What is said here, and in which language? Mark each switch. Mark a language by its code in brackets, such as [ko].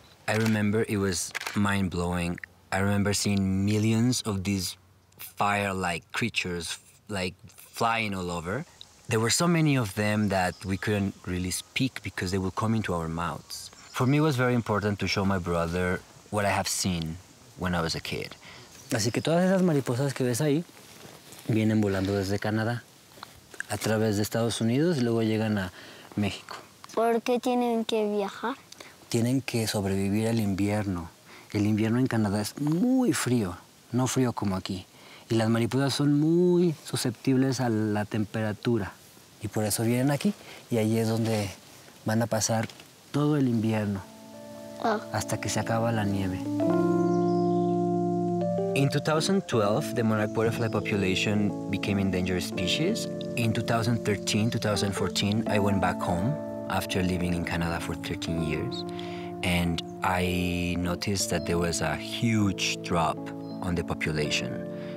[en] I remember it was mind-blowing. I remember seeing millions of these fire-like creatures, like, flying all over. There were so many of them that we couldn't really speak because they would come into our mouths. For me, it was very important to show my brother what I have seen when I was a kid. [es] Así que todas esas mariposas que ves ahí vienen volando desde Canadá a través de Estados Unidos y luego llegan a México. ¿Por qué tienen que viajar? Tienen que sobrevivir al invierno. El invierno en Canadá es muy frío, no frío como aquí. Y las mariposas son muy susceptibles a la temperatura. Y por eso vienen aquí y ahí es donde van a pasar todo el invierno, hasta que se acaba la nieve. [en] In 2012, the monarch butterfly population became endangered species. In 2013, 2014, I went back home after living in Canada for 13 years. And I noticed that there was a huge drop on the population.